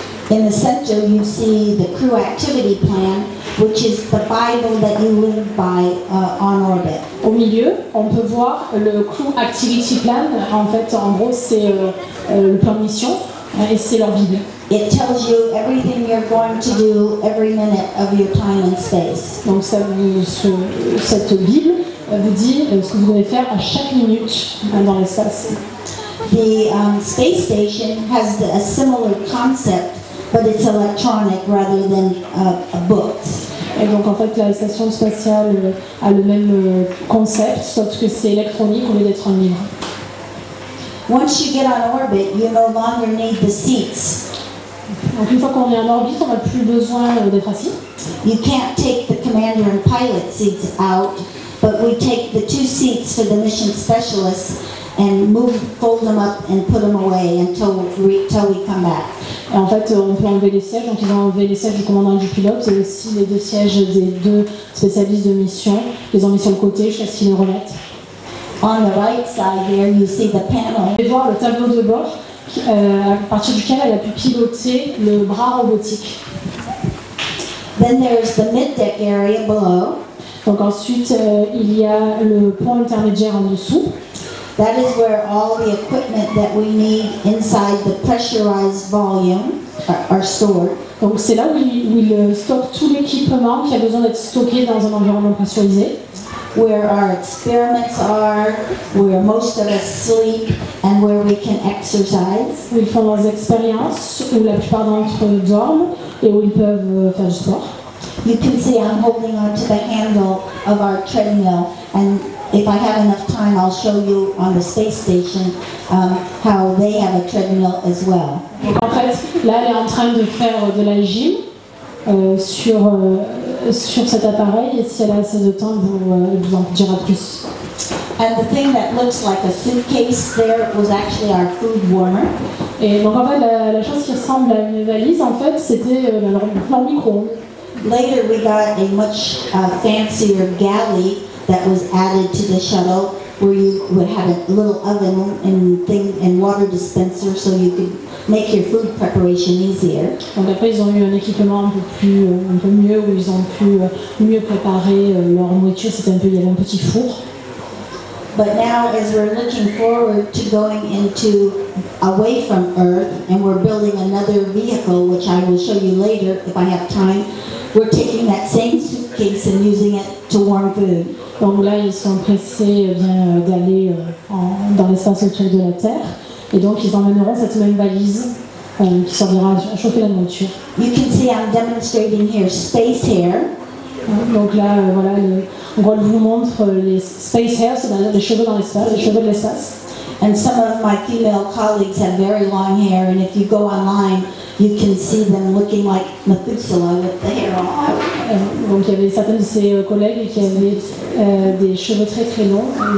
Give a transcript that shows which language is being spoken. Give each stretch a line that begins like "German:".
English: In the center, you see the crew activity plan, which is the Bible that you live by on orbit.
French: Au milieu, on peut voir le
English: crew activity plan.
French: En fait, en gros, c'est le plan mission et c'est leur Bible.
English: It tells you everything you're going to do every minute of your time in space.
French: Donc, cette Bible vous dit ce que vous allez faire à chaque minute dans l'espace.
English: The space station has a similar concept, but it's electronic rather than a book.
French: Et donc en fait, la station spatiale a le même concept, sauf que c'est électronique au lieu d'être un livre.
English: Once you get on orbit, you no longer need the seats.
French: Donc une fois qu'on est en orbite, on n'a plus besoin d'être assis.
English: You can't take the commander and pilot seats out, but we take the two seats for the mission specialists and move, fold them up and put them away until we come back.
French: Et en fait, on peut enlever les sièges, donc ils ont enlevé les sièges du commandant et du pilote, et aussi les deux sièges des deux spécialistes de mission. Ils ont mis sur le côté, jusqu'à ce qu'ils les remettent.
English: On the right side here, you see the panel.
French: Vous pouvez voir le tableau de bord, à partir duquel elle a pu piloter le bras robotique.
English: Then there's the mid-deck area below.
French: Donc ensuite, il y a le pont intermédiaire en dessous.
English: That is where all the equipment that we need inside the pressurized volume are stored.
French: Donc c'est là où il stocke tout l'équipement qui a besoin d'être stocké dans un environnement pressurisé.
English: Where our experiments are, where most of us sleep, and where we can exercise.
French: Où ils font leurs expériences, où la plupart d'entre eux dorment et où ils peuvent faire du sport.
English: You can see I'm holding on to the handle of our treadmill, and if I have enough time, I'll show you on the space station how they have a treadmill as well.
French: Donc en fait, là, elle est en train de faire de la gym sur cet appareil, et si elle a assez de temps, vous en dira plus.
English: And the thing that looks like a suitcase there was actually our food warmer.
French: Et donc en fait, la chose qui ressemble à une valise, en fait, c'était leur micro-ondes.
English: Later we got a much fancier galley that was added to the shuttle where you would have a little oven and water dispenser so you could make your food preparation easier.
French: Donc après ils ont eu un équipement un peu mieux où ils ont pu mieux préparer leur nourriture, il y avait un petit four.
English: But now as we're looking forward to going into away from Earth and we're building another vehicle which I will show you later if I have time. We're taking that same suitcase and using it to warm food.
French: Donc là, ils sont pressés d'aller dans l'espace autour de la Terre, et donc ils emmèneront cette même valise qui servira à chauffer la nourriture.
English: You can see I'm demonstrating here space hair.
French: Donc là, voilà, on vous montre les
English: space hair,
French: c'est-à-dire les cheveux dans l'espace, les cheveux de l'espace.
English: And some of my female colleagues have very long hair, and if you go online, you can see them looking like Methuselah with the hair all out.
French: Donc il y avait certaines de ses collègues qui avaient des cheveux très très longs.